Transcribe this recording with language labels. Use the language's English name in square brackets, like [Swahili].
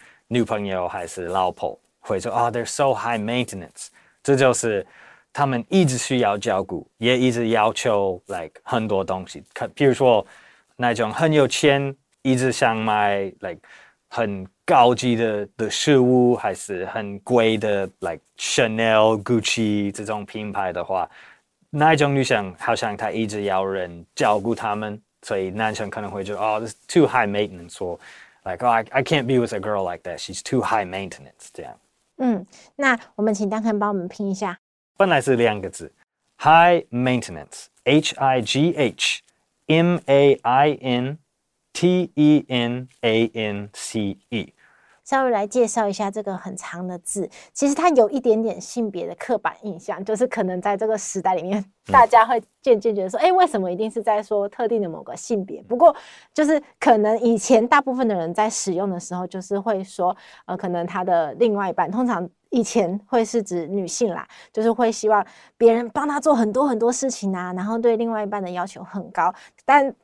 [Chinese] 女朋友还是老婆，会说啊、 [English] they're so high maintenance， [Chinese] 这就是他们一直需要照顾，也一直要求 like 很多东西，比如说那种很有钱一直想买 like 很高级 的事物，还是很贵的 like Chanel Gucci 这种品牌的话，那种女生好像她一直要人照顾她们，所以男生可能会觉得 [English] oh, this is too high maintenance， [Chinese] 或 like、 [English] oh, I can't be with a girl like that， she's too high maintenance， [Chinese] 这样。那我们请Duncan帮我们拼一下。本来是两个字， high maintenance， H-I-G-H M-A-I-NTENANCE，稍微来介绍一下这个很长的字。其实它有一点点性别的刻板印象，就是可能在这个时代里面，大家会渐渐觉得说，哎、为什么一定是在说特定的某个性别？不过，就是可能以前大部分的人在使用的时候，就是会说，可能他的另外一半，通常以前会是指女性啦，就是会希望别人帮他做很多很多事情啊，然后对另外一半的要求很高，但。